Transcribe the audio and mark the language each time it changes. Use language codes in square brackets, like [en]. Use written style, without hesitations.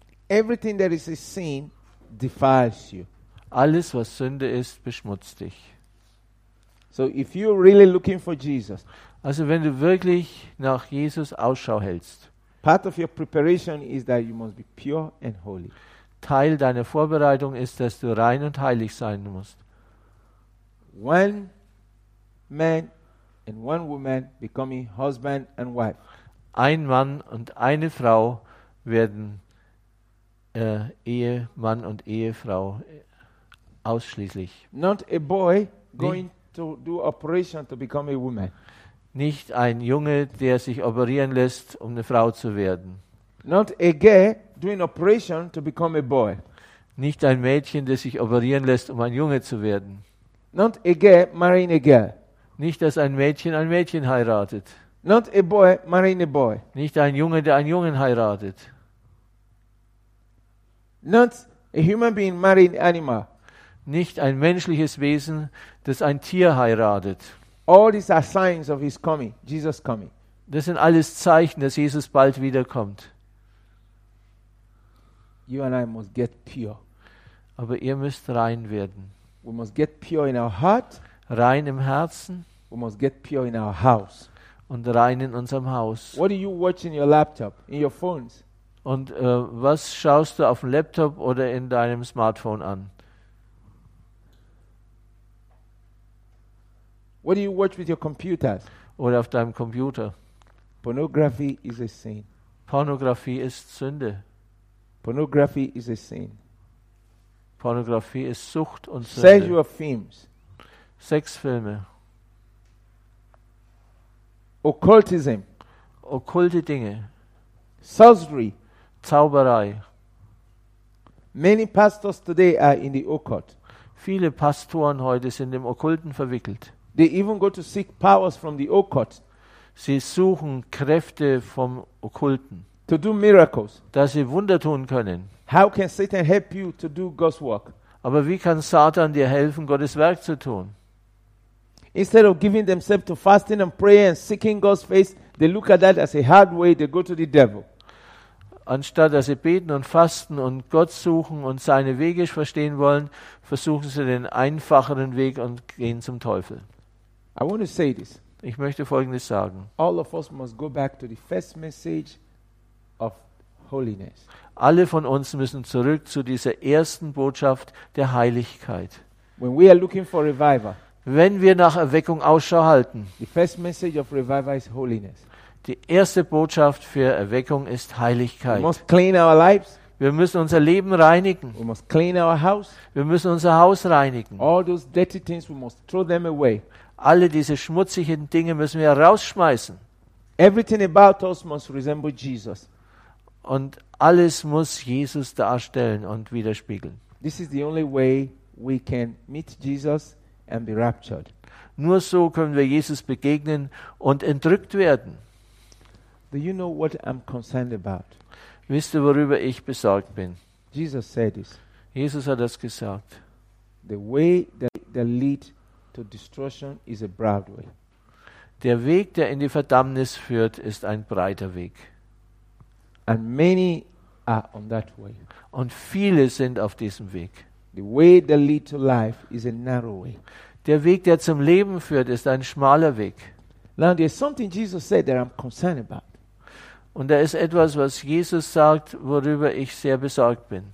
[en] Everything that is a sin defiles you. [de] Alles, was Sünde ist, beschmutzt dich. [en] So if you're really looking for Jesus, [de] also wenn du wirklich nach Jesus Ausschau hältst, [en] part of your preparation is that you must be pure and holy. [de] Teil deiner Vorbereitung ist, dass du rein und heilig sein musst. [en] One man and one woman becoming husband and wife. [de] Ein Mann und eine Frau werden Ehemann und Ehefrau ausschließlich. [en] Not a boy going to do operation to become a woman. [de] Nicht ein Junge, der sich operieren lässt, um eine Frau zu werden. [en] Not a girl doing operation to become a boy. [de] Nicht ein Mädchen, der sich operieren lässt, um ein Junge zu werden. [en] Not a girl marrying a girl. [de] Nicht, dass ein Mädchen heiratet. [en] Not a boy marrying a boy. [de] Nicht ein Junge, der einen Jungen heiratet. [en] Not a human being marrying animal. [de] Nicht ein menschliches Wesen, das ein Tier heiratet. [en] All these are signs of his coming, Jesus coming. [de] Das sind alles Zeichen, dass Jesus bald wiederkommt. [en] You and I must get pure. [de] Aber ihr müsst rein werden. [en] We must get pure in our heart. [de] Rein im Herzen. [en] We must get pure in our house. [de] Und rein in unserem Haus. [en] What do you watch in your laptop, in your phones? [de] Und was schaust du auf dem Laptop oder in deinem Smartphone an? [en] What do you watch with your computers? [de] Oder auf deinem Computer? [en] Pornography is a sin. [de] Pornografie ist Sünde. [en] Pornography is a sin. [de] Pornografie ist Sucht und Sünde. [en] Sexual films. [de] Sexfilme. [en] Occultism. [de] Okkulte Dinge. [en] Sorcery. [de] Zauberei. [en] Many pastors today are in the occult. [de] Viele Pastoren heute sind im Okkulten verwickelt. [en] They even go to seek powers from the occult. [de] Sie suchen Kräfte vom Okkulten. [en] To do miracles. [de] Dass sie Wunder tun können. [en] How can Satan help you to do God's work? [de] Aber wie kann Satan dir helfen, Gottes Werk zu tun? [en] Instead of giving themselves to fasting and prayer and seeking God's face, they look at that as a hard way. They go to the devil. [de] Anstatt dass sie beten und fasten und Gott suchen und seine Wege verstehen wollen, versuchen sie den einfacheren Weg und gehen zum Teufel. [en] I want to say this. [de] Ich möchte Folgendes sagen. [en] All of us must go back to the first message of holiness. [de] Alle von uns müssen zurück zu dieser ersten Botschaft der Heiligkeit. [en] When we are looking for revival, [de] wenn wir nach Erweckung Ausschau halten, [en] the first message of revival is holiness. [de] Die erste Botschaft für Erweckung ist Heiligkeit. [en] We must clean our lives. [de] Wir müssen unser Leben reinigen. [en] We must clean our house. [de] Wir müssen unser Haus reinigen. [en] All those dirty things, we must throw them away. [de] Alle diese schmutzigen Dinge müssen wir rausschmeißen. [en] Everything about us must resemble Jesus. [de] Und alles muss Jesus darstellen und widerspiegeln. [en] This is the only way we can meet Jesus and be raptured. [de] Nur so können wir Jesus begegnen und entrückt werden. [en] Do you know what I'm concerned about? [de] Wisst ihr, worüber ich besorgt bin? [en] Jesus said this. [de] Jesus hat das gesagt. [en] The way that lead to destruction is a broad way. [de] Der Weg, der in die Verdammnis führt, ist ein breiter Weg. [en] And many are on that way. [de] Und viele sind auf diesem Weg. [en] The way that lead to life is a narrow way. [de] Der Weg, der zum Leben führt, ist ein schmaler Weg. [en] Now there's something Jesus said that I'm concerned about. [de] Und da ist etwas, was Jesus sagt, worüber ich sehr besorgt bin.